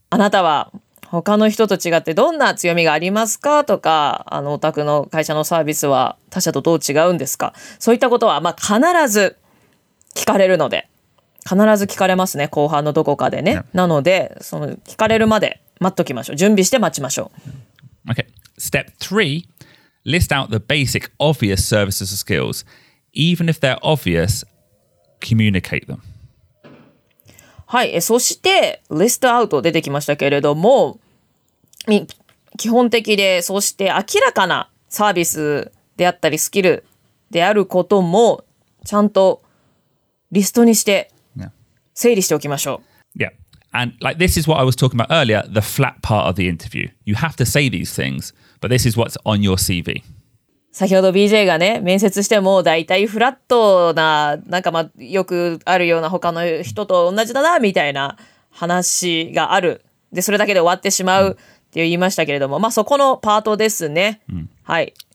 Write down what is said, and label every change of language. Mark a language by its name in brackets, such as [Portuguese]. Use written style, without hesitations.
[Japanese] あなたは他の人と違ってどんな強みがありますかとか、お宅の会社のサービスは他社とどう違うんですか。そういったことは、必ず聞かれるので。必ず聞かれますね、後半のどこかでね。 Yeah. なので、その聞かれるまで待っときましょう。準備して待ちましょう。 [English] Okay. Step 3. List out the basic obvious services or skills. Even if they're obvious, communicate them. [Japanese] はい。そして、List out 出てきましたけれども、基本的で、そして明らかなサービスであったり、スキルであることも、ちゃんとリストにして、整理しておきましょう。 [English] Yeah. And like this is what I was talking about earlier, the flat part of the interview. You have to say these things, but this is what's on your CV. [Japanese] 先ほど BJ がね、面接してもだいたいフラットな、なんかよくあるような他の人と同じだな、みたいな話がある。で、それだけで終わってしまうって言いましたけれども、そこのパートですね。はい。